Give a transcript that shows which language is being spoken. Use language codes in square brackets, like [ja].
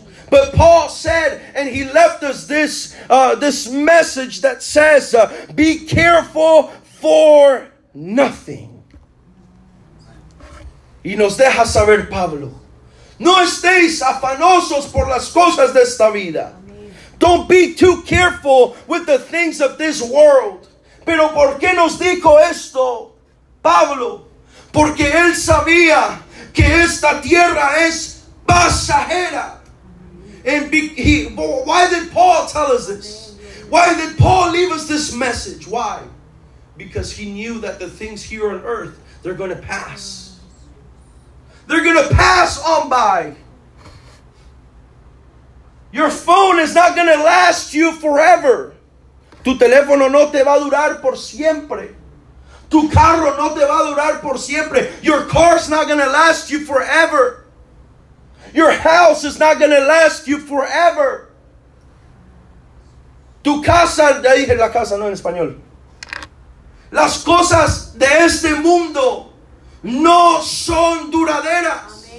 [en] But Paul said, and he left us this, this message that says, be careful for nothing. [es] Y nos deja saber Pablo, no estéis afanosos por las cosas de esta vida. [en] Don't be too careful with the things of this world. [es] Pero ¿por qué nos dijo esto, Pablo? Porque él sabía que esta tierra es pasajera. [en] And why did Paul tell us this? Why did Paul leave us this message? Why? Because he knew that the things here on earth, they're going to pass. They're going to pass on by. Your phone is not going to last you forever. [es] Tu teléfono no te va a durar por siempre. Tu carro no te va a durar por siempre. [en] Your car's not going to last you forever. Your house is not going to last you forever. [es] Tu casa, ya dije la casa, no en español. Las cosas de este mundo no son duraderas.